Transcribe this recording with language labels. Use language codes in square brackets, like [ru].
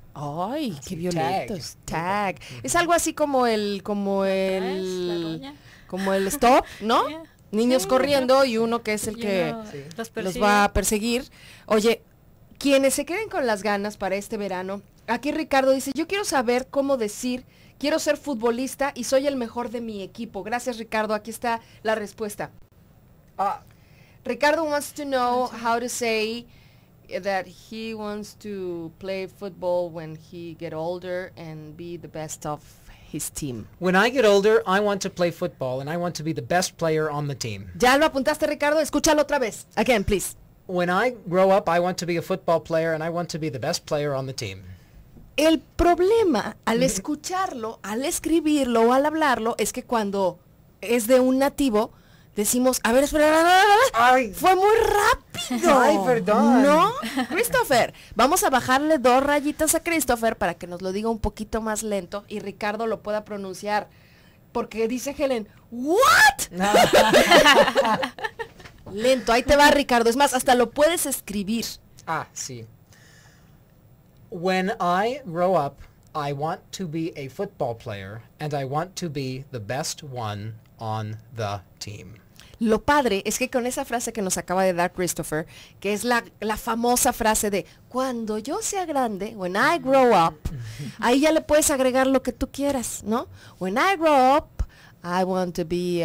[es] Ay, así, qué violentos. Tag. Uh-huh. Es algo así como el stop, ¿no? Yeah. Niños corriendo y uno que es el que los va a perseguir. Oye, quienes se queden con las ganas para este verano, aquí Ricardo dice, yo quiero saber cómo decir, quiero ser futbolista y soy el mejor de mi equipo. Gracias, Ricardo. Aquí está la respuesta. [en] Ricardo wants to know how to say that he wants to play football when he get older and be the best of his team. When I get older, I want to play football and I want to be the best player on the team. [es] ¿Ya lo apuntaste, Ricardo? Escúchalo otra vez. [en] Again, please. When I grow up, I want to be a football player and I want to be the best player on the team. [es] El problema al escucharlo, al escribirlo o al hablarlo es que cuando es de un nativo, decimos, a ver, espera, ay, fue muy rápido. Ay, perdón. ¿No? Christopher, vamos a bajarle dos rayitas a Christopher para que nos lo diga un poquito más lento y Ricardo lo pueda pronunciar. Porque dice Helen, ¿what? No. Lento, ahí te va, Ricardo. Es más, hasta lo puedes escribir. Ah, sí. [en] When I grow up, I want to be a football player and I want to be the best one on the team. [es] Lo padre es que con esa frase que nos acaba de dar Christopher, que es la famosa frase de cuando yo sea grande, [en] when I grow up, [es] ahí ya le puedes agregar lo que tú quieras, ¿no? [en] When I grow up, I want to be